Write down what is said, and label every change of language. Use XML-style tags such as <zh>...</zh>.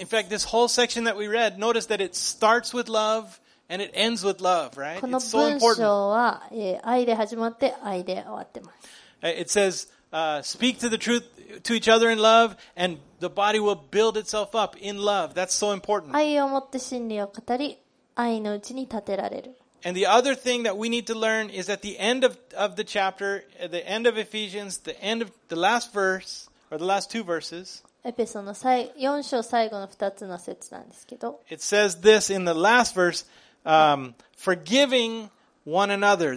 <en>In fact, this whole section that we read, notice that it starts with love and it ends with love, right? It's so important. It says, speak to the truth to each other in love, and the body will build itself up in love. That's so important.</en> <ja>愛を持って真理を語り、愛のうちに立てられる。</ja> <en>And the other thing that we need to learn is at the end of the chapter, at the end of Ephesians, the end of the last verse, or the last two verses, it says this in the last verse, forgiving one another.</en>